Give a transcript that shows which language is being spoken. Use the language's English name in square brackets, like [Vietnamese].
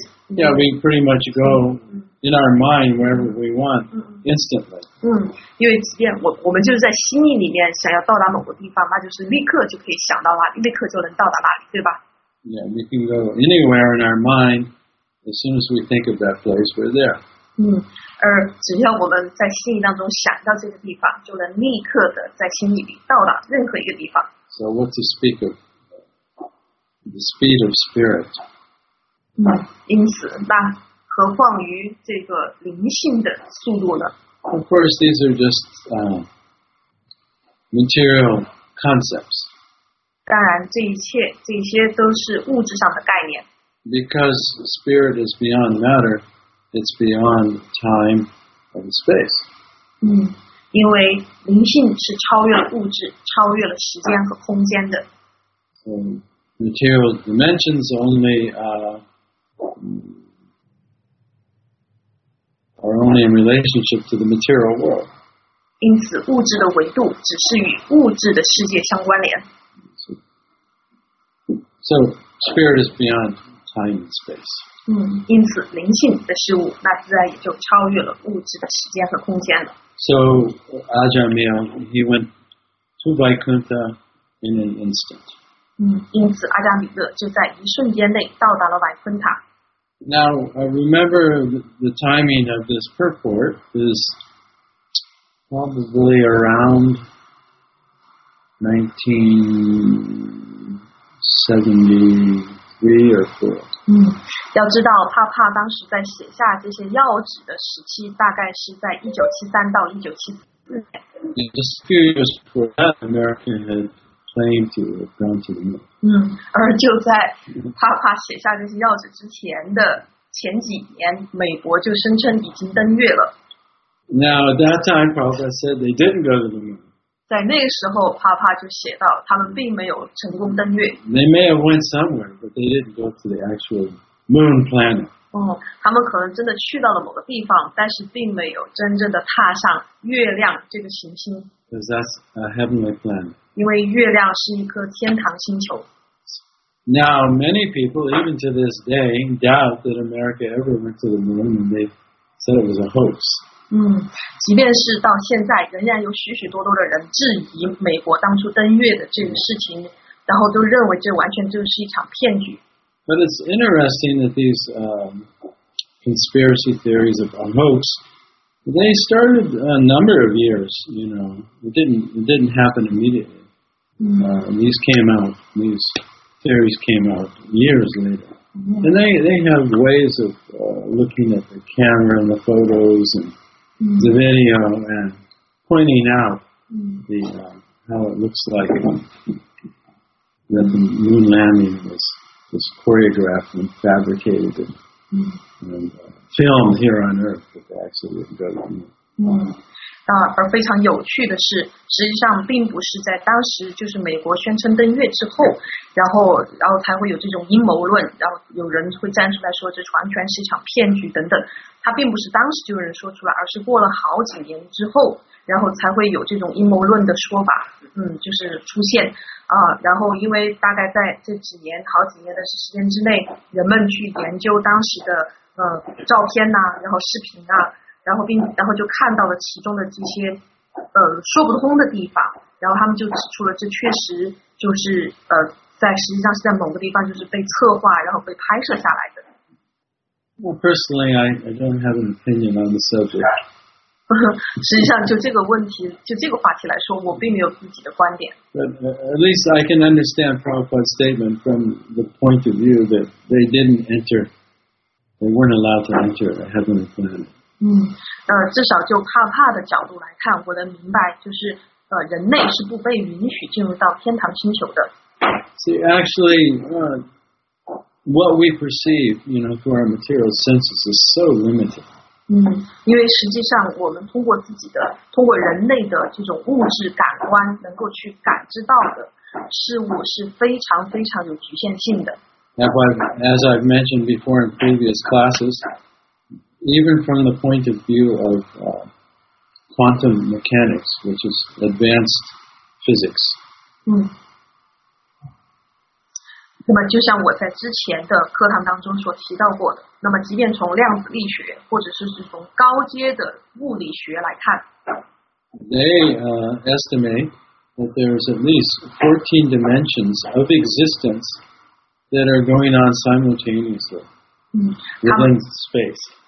[English] Yeah, we pretty much go in our mind wherever we want instantly. [Chinese] 因为即便我们就是在心意里面想要到达某个地方，那就是立刻就可以想到那里，立刻就能到达那里，对吧？ [English] Yeah, we can go anywhere in our mind as soon as we think of that place, we're there. [Chinese] 而只要我们在心意当中想到这个地方，就能立刻的在心意里到达任何一个地方。 [English] So what to speak of the speed of spirit? [Chinese] 因此，那何况于这个灵性的速度呢 [English] ？Of course, these are just material concepts. [Chinese] 当然，这一切都是物质上的概念。 [English] Because spirit is beyond matter, it's beyond time and space. [Chinese] 因为灵性是超越了物质，超越了时间和空间的。 [English] So, material dimensions only are only in relationship to the material world. [Chinese] 因此，物质的维度只是与物质的世界相关联。 [English] So, spirit is beyond time and space. [Chinese] 因此灵性的事物，那自然也就超越了物质的时间和空间了。 [English] So, Ajahn-mya, he went to Vaikuntha in an instant. [Chinese] 因此阿扎米勒就在一瞬间内到达了瓦昆塔。 [English] Now, remember the timing of this purport is probably around 1973 or 4. [Chinese] 要知道帕帕当时在写下这些要旨的时期大概是在1973到1974。 [English] Just a few years before that, America had claimed to have gone to the moon. [Chinese] 而就在帕帕写下这些要旨之前的前几年美国就声称已经登月了。 [English] Now, at that time, Prabhupada said they didn't go to the moon. [Chinese] 在那个时候，帕帕就写到他们并没有成功登月。 [English] They may have went somewhere, but they didn't go to the actual moon planet. [Chinese] 他们可能真的去到了某个地方，但是并没有真正的踏上月亮这个行星。 [English] Because that's a heavenly planet. [Chinese] 因为月亮是一颗天堂星球。 [English] Now, many people, even to this day, doubt that America ever went to the moon, and they said it was a hoax. [Chinese] 即便是到现在仍然有许许多多的人质疑美国当初登月的这个事情然后都认为这完全就是一场骗局。 [English] But it's interesting that these conspiracy theories of hoax, they started a number of years, you know, it didn't happen immediately. These came out, these theories came out years later. And they have ways of looking at the camera and the photos andthe video and pointing out the, how it looks like that the moon landing was choreographed and fabricated and filmed here on Earth, but they actually didn't go to the moon. [Chinese] 而非常有趣的是，实际上并不是在当时就是美国宣称登月之后，然后才会有这种阴谋论，然后有人会站出来说这完全是一场骗局等等。他并不是当时就有人说出来，而是过了好几年之后，然后才会有这种阴谋论的说法，就是出现啊。然后因为大概在这几年好几年的时间之内，人们去研究当时的照片呐、然后视频啊，然后就看到了其中的这些说不通的地方，然后他们就指出了这确实就是实际上是在某个地方就是被策划然后被拍摄下来的。 [English] Well, personally, I don't have an opinion on the subject. [Chinese] 实际上，就这个问题，就这个话题来说，我并没有自己的观点。 [English] But at least I can understand Prabhupada's statement from the point of view that they didn't enter, they weren't allowed to enter a heavenly planet. [Chinese] 至少就帕帕的角度来看，我能明白，就是人类是不被允许进入到天堂星球的。 [English] See, actually, what we perceive, you know, through our material senses is so limited. [Chinese] 因为实际上我们通过自己的，通过人类的这种物质感官能够去感知到的事物是非常非常有局限性的。 [English] As I've mentioned before in previous classes, even from the point of view of quantum mechanics, which is advanced physics. [Chinese] 那么就像我在之前的课堂当中所提到过的，那么即便从量子力学或者是从高阶的物理学来看 [English] ，They estimate that there's at least 14 dimensions of existence that are going on simultaneously within space.